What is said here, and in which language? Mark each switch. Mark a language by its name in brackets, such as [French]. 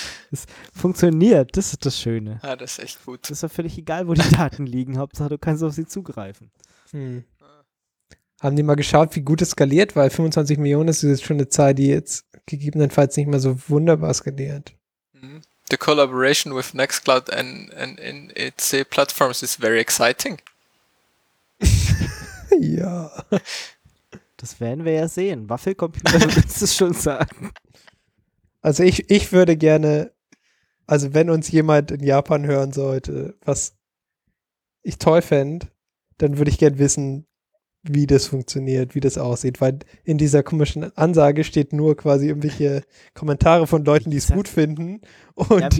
[German] Es funktioniert. Das ist das Schöne. Ah, ja, das ist echt gut. Das ist doch völlig egal, wo die Daten liegen. Hauptsache, du kannst auf sie zugreifen. Haben die mal geschaut, wie gut es skaliert, weil 25 Millionen ist jetzt schon eine Zahl, die jetzt gegebenenfalls nicht mehr so wunderbar skaliert. [English] The collaboration with Nextcloud and in its platforms is very exciting. [German] Ja. Das werden wir ja sehen. Waffelcomputer, willst du schon sagen. Also ich würde gerne, also wenn uns jemand in Japan hören sollte, was ich toll fände, dann würde ich gerne wissen, wie das funktioniert, wie das aussieht, weil in dieser komischen Ansage steht nur quasi irgendwelche Kommentare von Leuten, die es gut finden und